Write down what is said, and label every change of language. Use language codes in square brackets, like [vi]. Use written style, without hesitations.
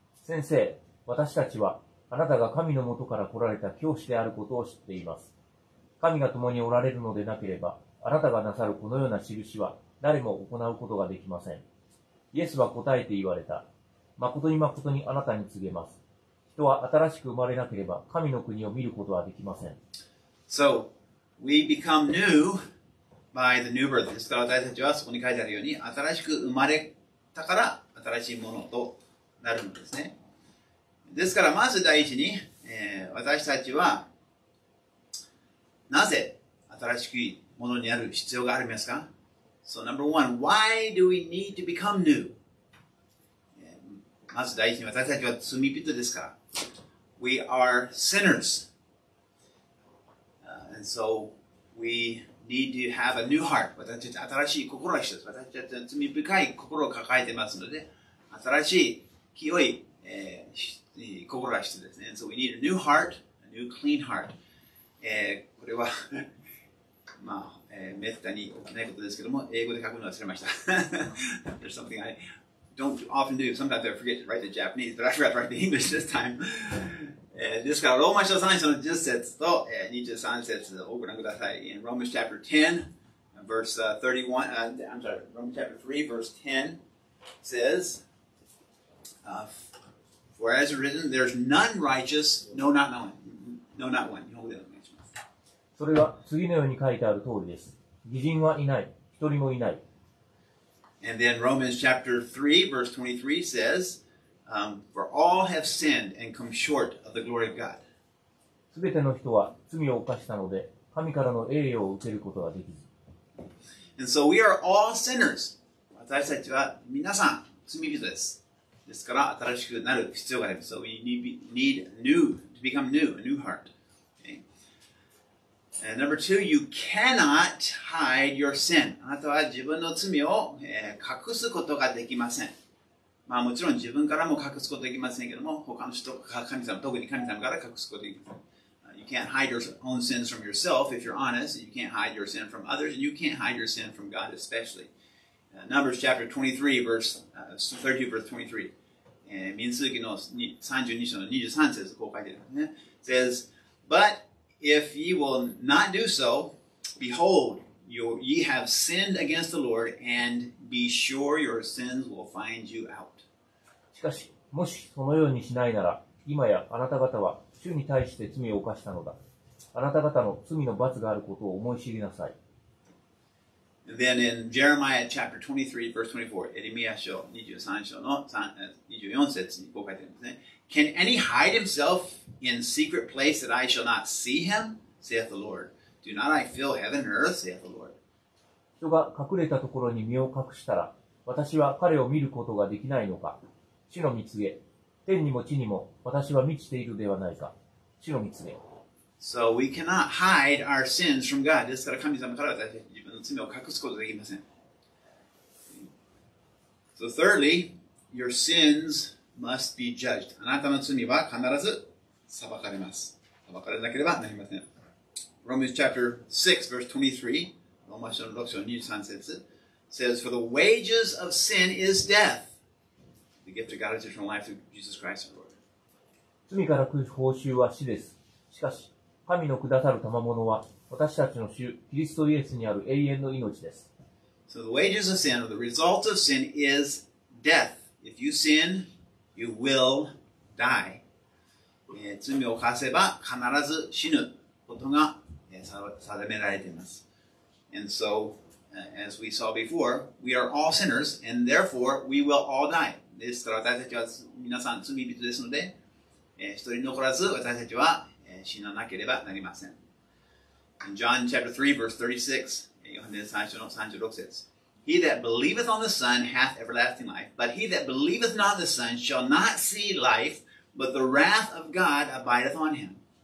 [ja] 先生、私たちは、あなたが神のもとから来られた教師であることを知っています。神が共におられるのでなければ、あなたがなさるこのような印は、誰も行うことができません。イエスは答えて言われた。誠に誠にあなたに告げます。人は新しく生まれなければ、神の国を見ることはできません。 [en] So, we become new by the new birth. [ja] ですから私たちは、そこに書いてあるように、新しく生まれだから新しいものとなるんですね。ですからまず第一に、私たちはなぜ新しいものになる必要がありますか。 [en] So number one, why do we need to become new? [ja] まず第一に私たちは罪人ですから。 [en] We are sinners. And so we need to have a new heart. [ja] 私たちは新しい心が必要です。私たちは罪深い心を抱えていますので、新しい清い、心が必要ですね。 [en] And、so we need a new heart, a new clean heart.、 [ja] これは、まあ、めったに起きないことですけども、英語で書くの忘れました。 [en] There's something I don't often do. Sometimes I forget to write the Japanese, but I forgot to write the English this time. [ja] 、ですから、ローマ書3章の10節と、23節をご覧ください。 [en] In Romans chapter 10, verse 31, I'm sorry, Romans chapter 3, verse 10 says, For as written, there's none righteous, no, not one. No, not one. You know, [ja] それは次のように書いてある通りです。義人はいない。一人もいない。 [en] And then Romans chapter 3, verse 23 says, For all have sinned and come short of the glory of God. [ja] すべての人は罪を犯したので、神からの栄誉を受けることができず。 [en] And so we are all sinners. [ja] 私たちは皆さん罪人です。ですから新しくなる必要があります。 [en] So we need new, to become new, a new heart. Okay. And number two, you cannot hide your sin. [ja] あなたは自分の罪を隠すことができません。まあもちろん自分からも隠すことできませんけども、他の人か神様、特に神様から隠すことができません。 [en] You can't hide your own sins from yourself if you're honest. You can't hide your sin from others. And you can't hide your sin from God especially. Numbers chapter 23, verse 32, verse 23. [ja] 民数記の32章の23節こう書いてあるね。 [en] says, but if ye will not do so, behold, ye have sinned against the Lord, and be sure your sins will find you out. [ja] しかし、もしそのようにしないなら、今やあなた方は主に対して罪を犯したのだ。あなた方の罪の罰があることを思い知りなさい。 [en] Then in Jeremiah chapter 23, verse 24, [ja] エレミヤ書23章の24節にこう書いてあるんですね。 [en] Can any hide himself in secret place that I shall not see him? saith the Lord. Do not I fill heaven and earth? saith the Lord. [ja] 人が隠れたところに身を隠したら、私は彼を見ることができないのか。主の御告げ、天にも地にも私は満ちているではないか。主の御告げ。 [en] So we cannot hide our sins from God. [ja] ですから神様から自分の罪を隠すことができません。 [en] So thirdly, your sins must be judged. [ja] あなたの罪は必ず裁かれます。裁かれなければなりません。 [en] Romans chapter 6, verse 23, [ja] ローマ書の6章23節 [en] says, For the wages of sin is death. The gift of God is eternal life through Jesus Christ our Lord. [ja] 罪から来る報酬は死です。しかし、神のくださる賜物は私たちの主キリストイエスにある永遠の命です。 [en] So the wages of sin or the result of sin is death. If you sin, you will die. [ja] 罪を犯せば必ず死ぬことが定められています。 [en] And so, as we saw before, we are all sinners and therefore we will all die. [ja] ですから私たちは皆さん罪人ですので、一人残らず私たちは死ななければなりません。 [en] In John chapter 3, verse 36, [ja] ヨハネ3章の36節、 [en] He that believeth on the Son hath everlasting life, but he that believeth not the Son shall not see life, but the wrath of God abideth on him.